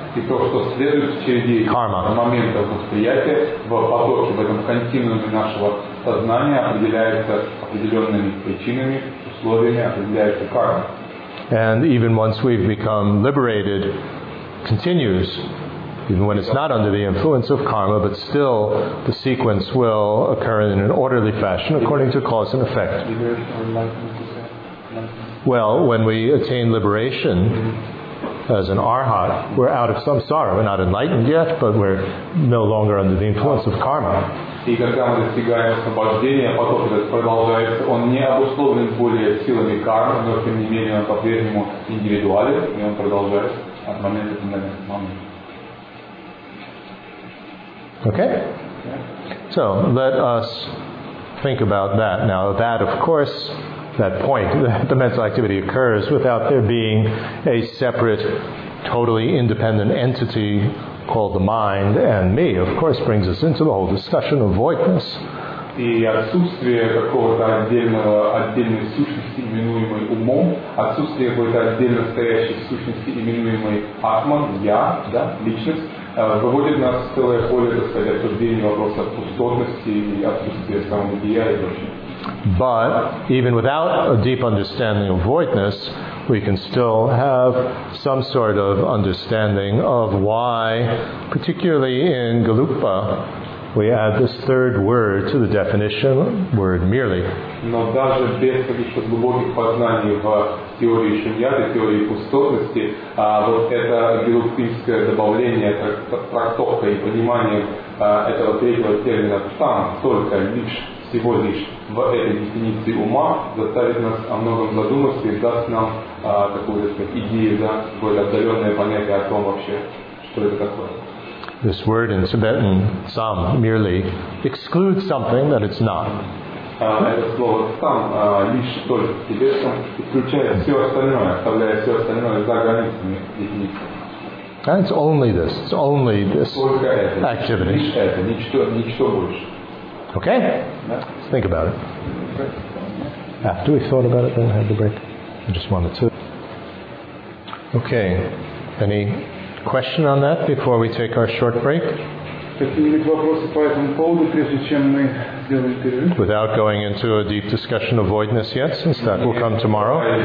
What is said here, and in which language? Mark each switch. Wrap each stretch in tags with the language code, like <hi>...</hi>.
<ru>И то, что следует в череде карма. Моментов восприятия в потоке, в этом континууме нашего сознания определяется определенными причинами, условиями, определяется карма.</ru> <en>And even once we've become liberated, continues. Even when it's not under the influence of karma, but still the sequence will occur in an orderly fashion according to cause and effect. Well, when we attain liberation as an arhat, we're out of samsara. We're not enlightened yet, but we're no longer under the influence of karma.</en> <ru>И когда мы достигаем освобождения, поток этот продолжается. Он не обусловлен более силами кармы, но тем не менее он по-прежнему индивидуален, и он продолжается от момента до момента.</ru> <en>Okay? So, let us think about that. Now, that, of course, that point, the mental activity occurs without there being a separate totally independent entity called the mind and me, of course, brings us into the whole discussion of voidness.</en> <ru>И отсутствие какого-то отдельной сущности, именуемой умом, отсутствие какой-то отдельно стоящей сущности, именуемой атман, я, да, личность, выводит нас в целое поле, так сказать, обсуждения вопроса пустотности и отсутствия самобытия и прочее.</ru> <en>But even without a deep understanding of voidness, we can still have some sort of understanding of why, particularly in Galupa, we add this third word to the definition, word merely.</en> <ru>Но даже без каких-то глубоких познаний в теории шуньяты, теории пустотности, вот это галупинское добавление, трактовка и понимание этого третьего термина там только лишь. Всего лишь в этой дефиниции ума заставит нас о многом задуматься и даст нам такую, так сказать, идею, да, какое-то отдаленное понятие о том вообще, что это такое.</ru> <en>This word in Tibetan, sam, merely excludes something that it's not.</en> <ru>Это слово сам лишь только в тибетском исключает все остальное, оставляя все остальное за границами дефиниции.</ru> <en>And it's only this. It's only this activity.</en> <ru>Лишь это, ничто, ничто больше.</ru> <en>Okay? Let's think about it. After we thought about it, then I had the break. I just wanted to. Okay. Any question on that before we take our short break? Without going into a deep discussion of voidness yet, since that will come tomorrow.</en>